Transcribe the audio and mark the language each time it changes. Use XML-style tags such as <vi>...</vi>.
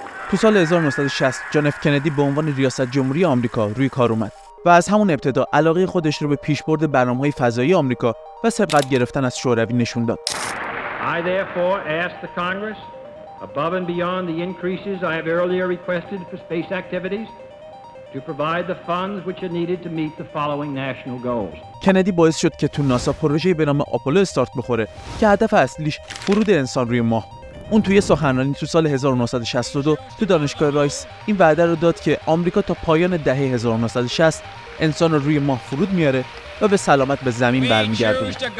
<fa>تو سال 1960 جان اف کندی به عنوان ریاست جمهوری آمریکا روی کار اومد و از همون ابتدا علاقه خودش رو به پیشبرد برنامه‌های فضایی آمریکا و سبقت گرفتن از شوروی نشون داد.</fa> <en>I therefore ask the Congress above and beyond the increases I have earlier requested for space activities to provide the funds which are needed to meet the following national goals.</en> <fa>کندی باعث شد که تو ناسا پروژه‌ای به نام آپولو استارت بخوره که هدف اصلیش فرود انسان روی ماه. اون توی سخنرانی تو سال 1962 تو دانشگاه رایس این وعده رو داد که آمریکا تا پایان دهه 1960 انسان رو روی ماه فرود میاره و به سلامت به زمین برمیگردونه.</fa>